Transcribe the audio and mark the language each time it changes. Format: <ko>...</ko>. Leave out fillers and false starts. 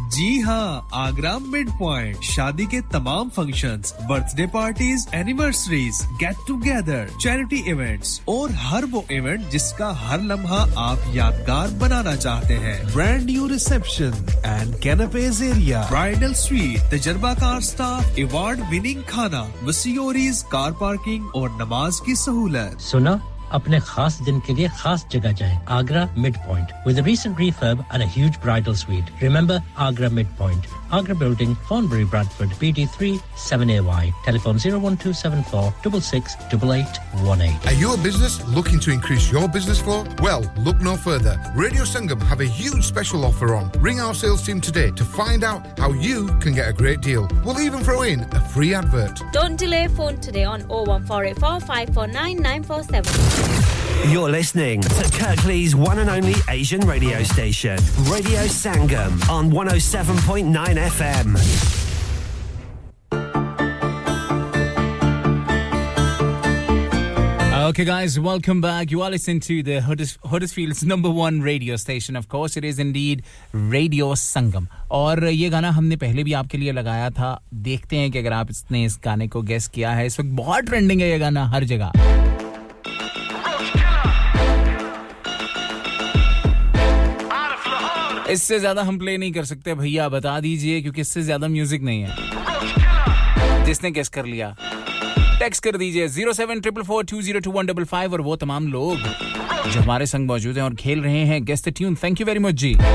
<hi>जी हाँ Agra mid point शादी के तमाम functions birthday parties anniversaries get together charity events और हर वो इवेंट जिसका हर लम्हा आप यादगार बनाना चाहते हैं</hi> <en>Brand new reception and canapes area, bridal suite, tajarba car staff, award winning khana, musioris, car parking aur namaz ki sahulat.</en> <hi>Suna? अपने खास दिन के लिए खास जगह जाएं</hi> <en>Agra midpoint with a recent refurb and a huge bridal suite remember Agra midpoint Agra building Thornbury Bradford BD3 7AY telephone 01274668818 Are you a business looking to increase your business flow? Well, look no further. Radio Sangam have a huge special offer on. Ring our sales team today to find out how you can get a great deal. We'll even throw in a free advert. Don't delay phone today on 01484549947. You're listening to Kirkley's one and only Asian radio station, Radio Sangam, on 107.9 FM. Okay, guys, welcome back. You are listening to the Huddersfield's number one radio station. Of course, it is indeed Radio Sangam.</en> <hi>और ये गाना हमने पहले भी आपके लिए लगाया था. देखते हैं कि अगर आपने इस गाने को guess किया है. इस वक्त बहुत trending है ये गाना हर जगह. इससे ज्यादा हम प्ले नहीं कर सकते भैया बता दीजिए क्योंकि इससे ज्यादा म्यूजिक नहीं है जिसने गेस कर लिया टेक्स्ट कर दीजिए 07444202155 और वो तमाम लोग जो हमारे संग मौजूद हैं और खेल रहे हैं</hi> <en>guess the tune thank you very much</en> <hi>ji</hi>